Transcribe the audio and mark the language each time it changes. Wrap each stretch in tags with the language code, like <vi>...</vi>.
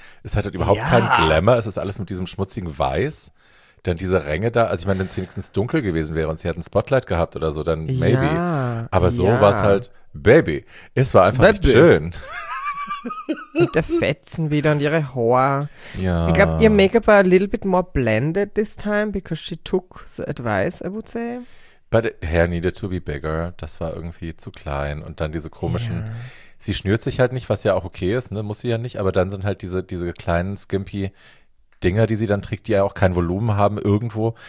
<de>Es hat halt überhaupt keinen Glamour, es ist alles mit diesem schmutzigen Weiß. Dann diese Ränge da, also ich meine, wenn es wenigstens dunkel gewesen wäre und sie hätten ein Spotlight gehabt oder so, dann maybe. Ja, aber so war es halt, Baby, es war einfach nicht schön. Mit der Fetzen wieder und ihre Haare. Ja. Ich glaube, ihr Make-up war</de> <en>a little bit more blended this time, because she took the advice, I would say. But the hair needed to be bigger.</en> <de>Das war irgendwie zu klein. Und dann diese komischen, sie schnürt sich halt nicht, was ja auch okay ist, ne? Muss sie ja nicht. Aber dann sind halt diese kleinen skimpy Dinger, die sie dann trägt, die ja auch kein Volumen haben irgendwo.</de>